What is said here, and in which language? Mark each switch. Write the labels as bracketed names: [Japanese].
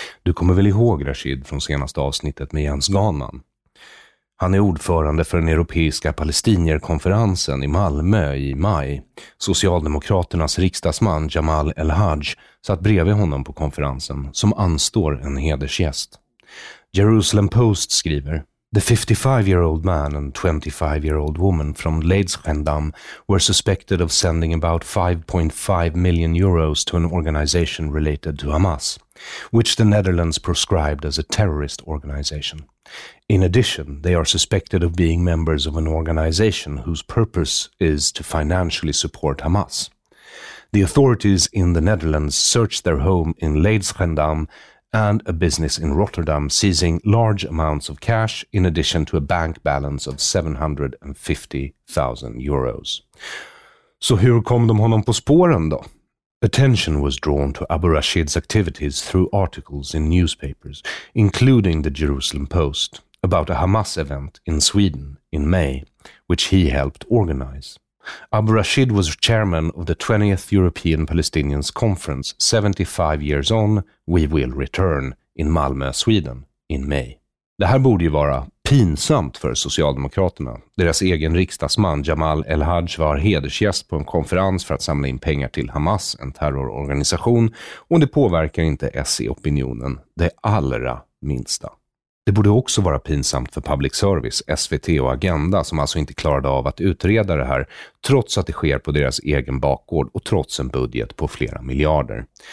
[Swedish] Du kommer väl ihåg Rashid från senaste avsnittet med Jens Ganan? Han är ordförande för den europeiska palestinierkonferensen i Malmö i maj. Socialdemokraternas riksdagsman Jamal El-Haj satt bredvid honom på konferensen som anstår en hedersgäst. [English] Jerusalem Post skriver: The 55-year-old man and 25-year-old woman from Leidschendam were suspected of sending about 5.5 million euros to an organization related to Hamas, which the Netherlands proscribed as a terrorist organization. In addition, they are suspected of being members of an organization whose purpose is to financially support Hamas. The authorities in the Netherlands searched their home in Leidschendam and a business in Rotterdam, seizing large amounts of cash in addition to a bank balance of 750,000 euros. [Swedish] Så hur kom de honom på spåren då? [English] Attention was drawn to Abu Rashid's activities through articles in newspapers, including the Jerusalem Post, about a Hamas event in Sweden in May, which he helped organize. Abu Rashid was chairman of the 20th European Palestinians Conference, 75 years on, we will return, in Malmö, Sweden, in May. Det här borde ju vara [Swedish] pinsamt för Socialdemokraterna. Deras egen riksdagsman Jamal El-Haj var hedersgäst på en konferens för att samla in pengar till Hamas, en terrororganisation, och det påverkar inte SE-opinionen det allra minsta. Det borde också vara pinsamt för public service, SVT och Agenda, som alltså inte klarade av att utreda det här, trots att det sker på deras egen bakgård och trots en budget på flera miljarder.